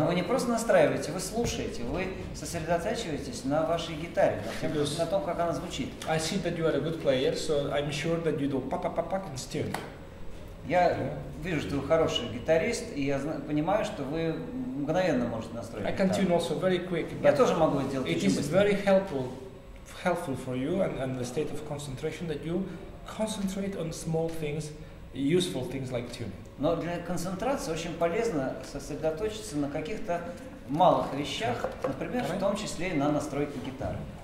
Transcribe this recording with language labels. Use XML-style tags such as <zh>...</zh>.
<ru>Но вы не просто настраиваете, вы слушаете, вы сосредотачиваетесь на вашей гитаре, на том, как она звучит.</ru> <en>I see that you are a good player, so I'm sure that you do pa pa pa pa and tune.</en> <ru>Я вижу, что вы хороший гитарист, и я понимаю, что вы мгновенно можете настроить.</ru> <en>I can tune also very quick.</en> <ru>Я тоже могу сделать.</ru> <en>It is very helpful for you and the state of concentration that you concentrate on small things, useful things like tune.</en> <ru>Но для концентрации очень полезно сосредоточиться на каких-то малых вещах, например, в том числе и на настройке гитары.</ru>